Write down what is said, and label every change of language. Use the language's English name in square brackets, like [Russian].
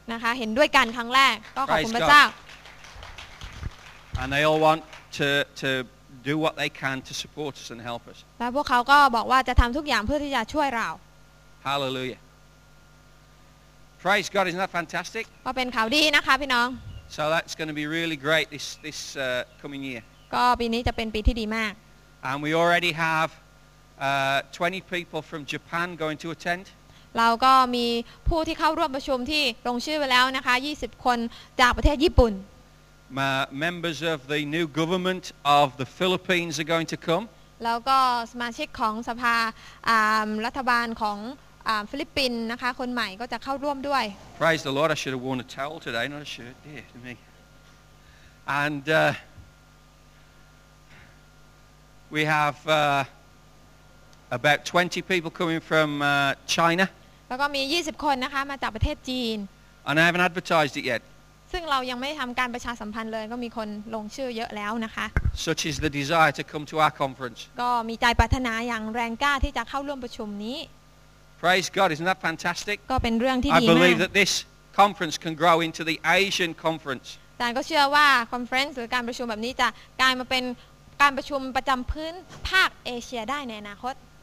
[Thai] นะคะเห็นด้วยกันครั้งแรกก็ขอบคุณพระเจ้า [English] And they all want to do what they can to support us and help us [Thai] แล้วพวกเขาก็บอกว่าจะทำทุกอย่างเพื่อที่จะช่วยเรา [English] Hallelujah Praise God isn't that fantastic [Thai] ก็เป็นข่าวดีนะคะพี่น้อง [English] So that's going to be really great this coming year [Thai] ก็ปีนี้จะเป็นปีที่ดีมาก [English] And we already have 20 people from Japan going to attend. [Thai] เราก็มีผู้ที่เข้าร่วมประชุมที่ลงชื่อไปแล้วนะคะ20คนจากประเทศญี่ปุ่น [English] Members of the new government of the Philippines are going to come. [Thai] แล้วก็สมาชิกของสภารัฐบาลของฟิลิปปินส์นะคะคนใหม่ก็จะเข้าร่วมด้วย [English] Praise the Lord! I should have worn a towel today, not a shirt. Dear to me. And we have. About 20 people coming from China. [Thai] แล้วก็มี20คนนะคะมาจากประเทศจีน [English] And I haven't advertised it yet. [Thai] ซึ่งเรายังไม่ทำการประชาสัมพันธ์เลยก็มีคนลงชื่อเยอะแล้วนะคะ [English] Such is the desire to come to our conference. [Thai] ก็มีใจปรารถนาอย่างแรงกล้าที่จะเข้าร่วมประชุมนี้ [English] Praise God, isn't that fantastic? [Thai] ก็เป็นเรื่องที่ดีมาก [English] I believe that this conference can grow into the Asian conference. [Thai] ท่านก็เชื่อว่าคอนเฟรนซ์หรือการประชุมแบบนี้จะกลายมาเป็นการประชุมประจำพื้นภาคเอเชียได้ในอนาคต